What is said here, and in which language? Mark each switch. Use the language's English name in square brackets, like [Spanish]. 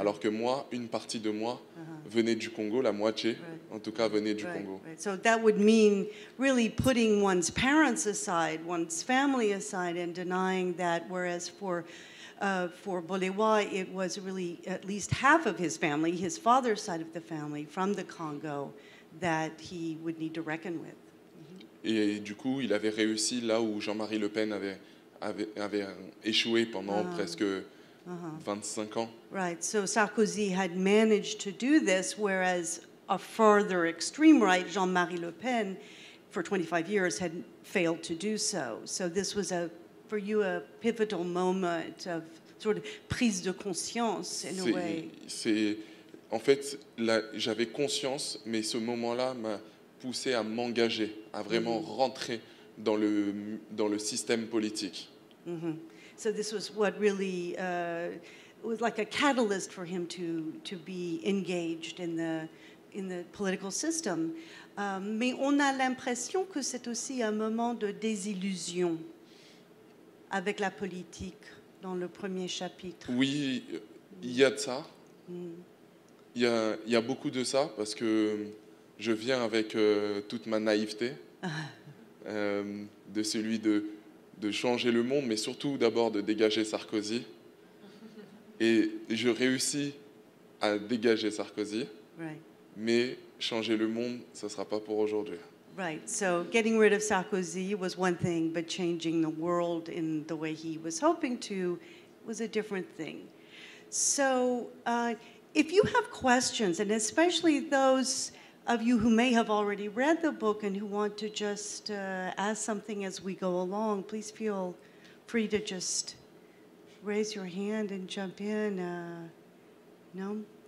[French] Alors que moi, une partie de moi venait du Congo, la moitié, right. En tout cas, venait du Congo. [English] Right. So that would mean really putting one's parents aside, one's family aside, and denying that, whereas for Bolewa, it was really at least half of his family, his father's side of the family, from the Congo, that he would need to reckon with. Et du coup, il avait réussi là où Jean-Marie Le Pen avait échoué pendant presque 25 ans. Right, so Sarkozy had managed to do this, whereas a further extreme right, Jean-Marie Le Pen, for 25 years, had failed to do so. So this was for you, a pivotal moment of sort of prise de conscience, in a way. [French] C'est, en fait, là, j'avais conscience, mais ce moment-là m'a poussé à m'engager, à vraiment rentrer dans le système politique. Mm-hmm. [English] So this was what really was like a catalyst for him to be engaged in the political system. [French] Mais on a l'impression que c'est aussi un moment de désillusion avec la politique dans le premier chapitre. Oui, il y a de ça. Il y a beaucoup de ça parce que je viens avec toute ma naïveté de celui de changer le monde, mais surtout d'abord de dégager Sarkozy. Et je réussis à dégager Sarkozy, [English] right. [French] Mais changer le monde, ça ne sera pas pour aujourd'hui. [English] Right, so getting rid of Sarkozy was one thing, but changing the world in the way he was hoping to was a different thing. So if you have questions, and especially those of you who may have already read the book and who want to just ask something as we go along, please feel free to just raise your hand and jump in. No?